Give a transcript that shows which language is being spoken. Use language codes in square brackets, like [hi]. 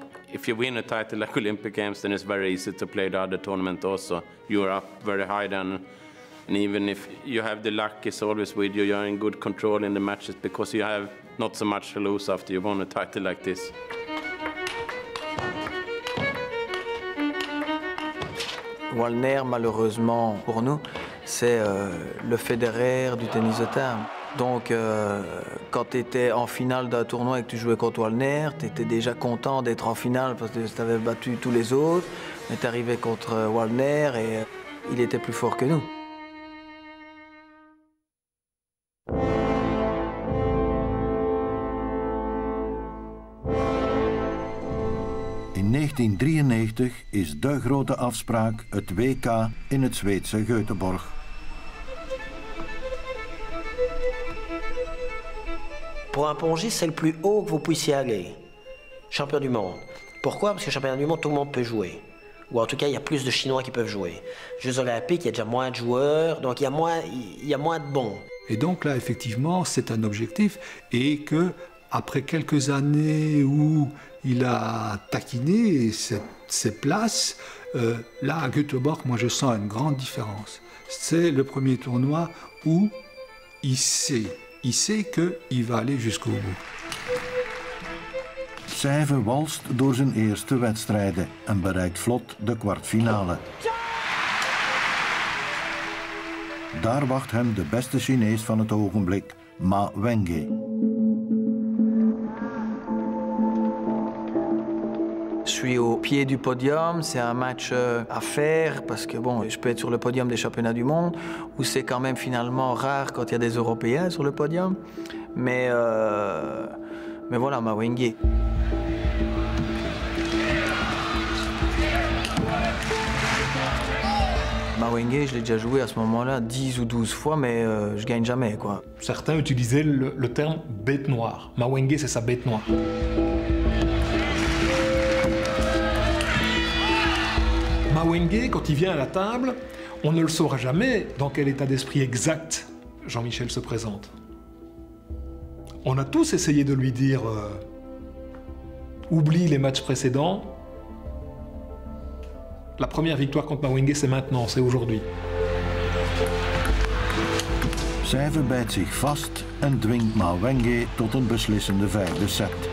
[en] If you win a title like Olympic Games, then it's very easy to play the other tournament also. You're up very high then. And even if you have the luck, it's always with you. You're in good control in the matches because you have not so much to lose after you won a title like this. [fr] Waldner, malheureusement pour nous, c'est le Federer du tennis de table. Donc, quand tu étais en finale d'un tournoi et que tu jouais contre Waldner, tu étais déjà content d'être en finale parce que tu avais battu tous les autres. Mais tu arrivais contre Waldner et il était plus fort que nous. [nl] In 1993 is de grote afspraak het WK in het Zweedse Göteborg. [fr] Pour un pongiste, c'est le plus haut que vous puissiez aller. Champion du monde. Pourquoi? Parce que championnat du monde, tout le monde peut jouer. Ou en tout cas, il y a plus de Chinois qui peuvent jouer. Jeux olympiques, il y a déjà moins de joueurs, donc il y a moins de bons. Et donc là, effectivement, c'est un objectif. Et que après quelques années où il a taquiné ses places, là, à Göteborg, moi, je sens une grande différence. C'est le premier tournoi où il sait qu'il va aller jusqu'au bout. [nl] Sève walst door zijn eerste wedstrijden en bereikt vlot de kwartfinale. Daar wacht hem de beste Chinees van het ogenblik, Ma Wenge. [fr] Je suis au pied du podium, c'est un match à faire parce que bon, je peux être sur le podium des championnats du monde où c'est quand même finalement rare quand il y a des Européens sur le podium. Mais voilà, Ma Wenge. Ma Wenge, je l'ai déjà joué à ce moment-là 10 ou 12 fois, mais je gagne jamais, quoi. Certains utilisaient le terme bête noire. Ma Wenge, c'est sa bête noire. Ma Wenge, quand il vient à la table, on ne le saura jamais dans quel état d'esprit exact Jean-Michel se présente. On a tous essayé de lui dire « Oublie les matchs précédents. La première victoire contre Ma Wenge, c'est maintenant, c'est aujourd'hui. » [nl] Sève bijt zich vast en dwingt Ma Wenge tot een beslissende vijfde set.